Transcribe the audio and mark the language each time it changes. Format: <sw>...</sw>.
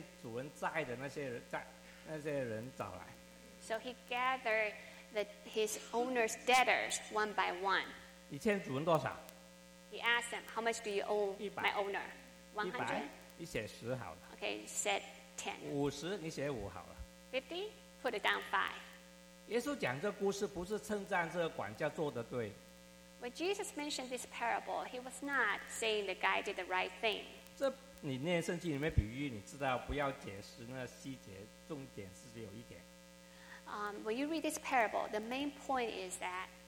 <zh>所以他就把欠主人债的那些人找来。</zh> <en>So he gathered that his owner's debtors one by one.</en> <zh>你欠主人多少?</zh> <en>He asked them, how much do you owe</en> <zh>100,</zh> <en>my owner?</en> <zh>100? 你写10好了。</zh> <en>Okay, said 10.</en> <zh>50你写5好了。</zh> <en>50? Put it down 5.</en> <zh>耶稣讲这故事不是称赞这个管家做得对。</zh> <en>When Jesus mentioned this parable, he was not saying the guy did the right thing.</en> <zh>这你念圣经里面比喻你知道不要解释那细节重点是有一点。</zh> <en>When you read this parable, the main point is that</en>